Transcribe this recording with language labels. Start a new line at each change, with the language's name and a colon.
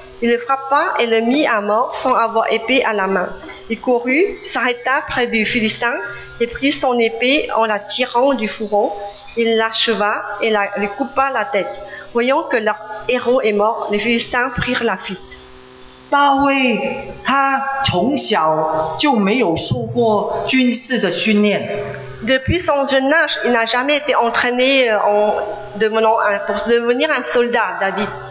French: Il le frappa et le mit à mort sans avoir épée à la main. Il courut, s'arrêta près du Philistin et prit son épée en la tirant du fourreau. Il l'acheva et lui coupa la tête. Voyant que leur héros est mort, les Philistins prirent la fuite.
Chinese: 大卫他从小就没有受过军事的训练。
French: Depuis son jeune âge, il n'a jamais été entraîné en devenant un, pour devenir un soldat, David.